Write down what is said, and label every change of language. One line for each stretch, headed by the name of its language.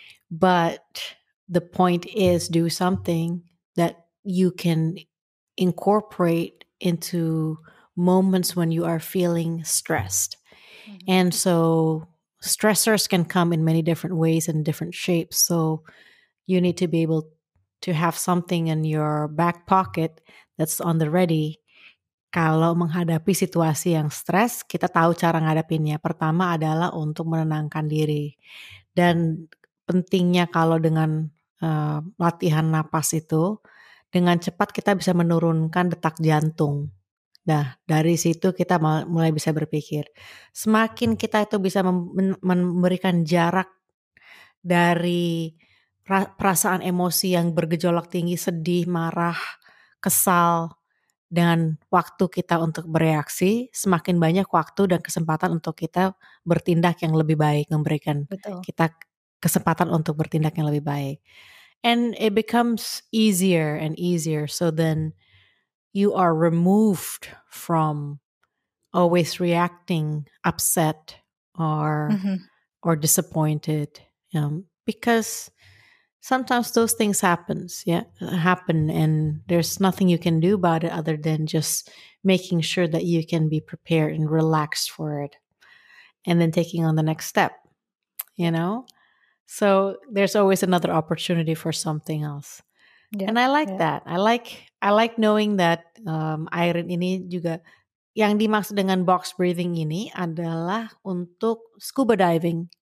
English: But the point is, do something that you can incorporate into moments when you are feeling stressed. And so stressors can come in many different ways and different shapes. So you need to be able to have something in your back pocket that's on the ready.
Indonesian: Kalau menghadapi situasi yang stres, kita tahu cara ngadepinnya. Pertama adalah untuk menenangkan diri. Dan pentingnya kalau dengan latihan napas itu, dengan cepat kita bisa menurunkan detak jantung. Nah, dari situ kita mulai bisa berpikir. Semakin kita itu bisa memberikan jarak dari perasaan emosi yang bergejolak tinggi, sedih, marah, kesal, dengan waktu kita untuk bereaksi, semakin banyak waktu dan kesempatan untuk kita bertindak yang lebih baik, memberikan Betul. Kita kesempatan untuk bertindak yang lebih baik.
English: And it becomes easier and easier. So then you are removed from always reacting upset or disappointed, because sometimes those things happen, and there's nothing you can do about it other than just making sure that you can be prepared and relaxed for it and then taking on the next step, you know? So there's always another opportunity for something else. Yeah, and I like that. I like knowing that
Indonesian: Irene ini juga, yang dimaksud dengan box breathing ini adalah untuk scuba diving.